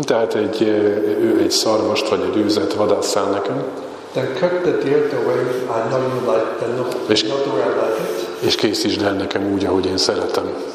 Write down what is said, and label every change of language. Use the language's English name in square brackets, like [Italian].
[Hungarian] Tehát egy szarvast vagy egy őzet vadásszál nekem. [English] Then cook the deer the way I know you like. Then not the way I like it. [Hungarian] És készítsd el nekem úgy, ahogy én szeretem.